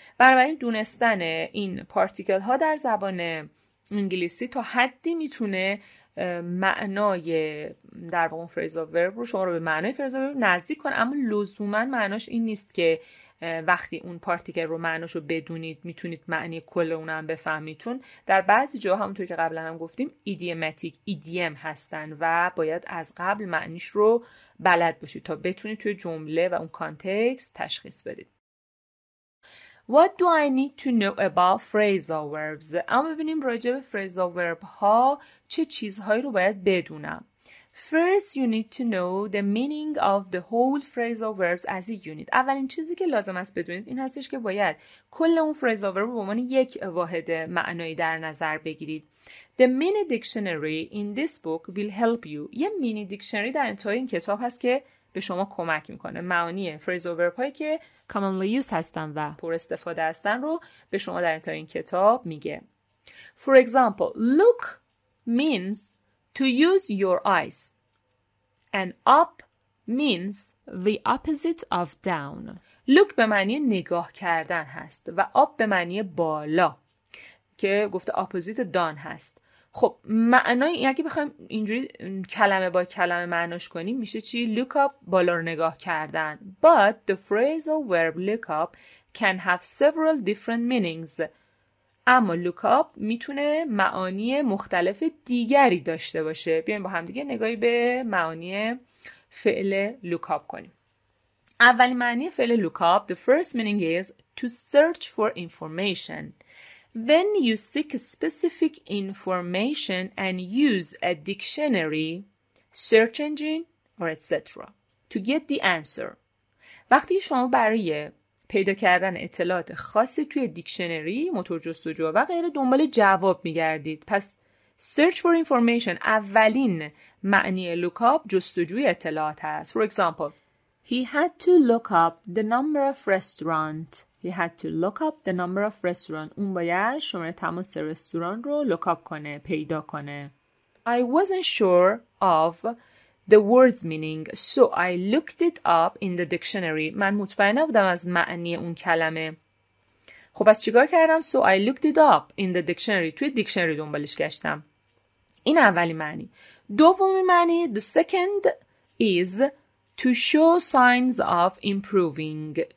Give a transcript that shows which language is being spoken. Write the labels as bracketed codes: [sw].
[fa] برای دونستن این پارتیکل ها در زبان انگلیسی تا حدی میتونه معنای در واقع فریز آف ورب رو شما رو به معنای فریز آف ورب نزدیک کنه، اما لزوماً معناش این نیست که وقتی اون پارتیکل رو معناش رو بدونید میتونید معنی کل اونم بفهمید، چون در بعضی جاها همونطور که قبلا هم گفتیم ایدیم هستن و باید از قبل معنیش رو بلد باشید تا بتونید توی جمله و اون کانتکست تشخیص بدید. [en] What do I need to know about phrasal verbs؟ [fa] اما ببینیم راجع به phrasal verb ها چه چیزهایی رو باید بدونم. [en] First, you need to know the meaning of the whole phrasal verbs as a unit. [fa] اولین چیزی که لازم است بدونید این هستش که باید کل اون phrasal verb رو به عنوان یک واحد معنایی در نظر بگیرید. [en] The mini dictionary in this book will help you. [fa] یه mini dictionary در انتهای این کتاب هست که به شما کمک میکنه. معانی phrasal verb هایی که commonly used هستن و پر استفاده هستن رو به شما در انتهای این کتاب میگه. [en] For example, look means to use your eyes and up means the opposite of down. [fa] Look به معنی نگاه کردن هست و up به معنی بالا که گفته opposite down هست. خب معنای اگه بخوایم اینجوری کلمه با کلمه معناش کنیم میشه چی؟ look up بالا رو نگاه کردن. [en] But the phrasal verb look up can have several different meanings. [fa] اما look up میتونه معانی مختلف دیگری داشته باشه. بیاییم با هم دیگه نگاهی به معانی فعل look up کنیم. اولی معنی فعل [en] look up, the first meaning is to search for information. When you seek specific information and use a dictionary, search engine, or etc. to get the answer. [fa] وقتی شما برای پیدا کردن اطلاعات خاصی توی دیکشنری، موتور جستجو و غیره دنبال جواب میگردید. پس search for information اولین معنی look up جستجوی اطلاعات هست. [en] For example, he had to look up the number of restaurant. He had to look up the number of restaurant. [fa] اون باید شماره تماس رستوران رو look up کنه، پیدا کنه. [en] I wasn't sure of the word's meaning, so I looked it up in the dictionary. [fa] من مطمئن نبودم از معنی اون کلمه. خب از چیکار کردم؟ [en] So I looked it up in the dictionary. [fa] توی دیکشنری دنبالش گشتم. این اولی معنی. دومی معنی, [en] the second is to show signs of improving.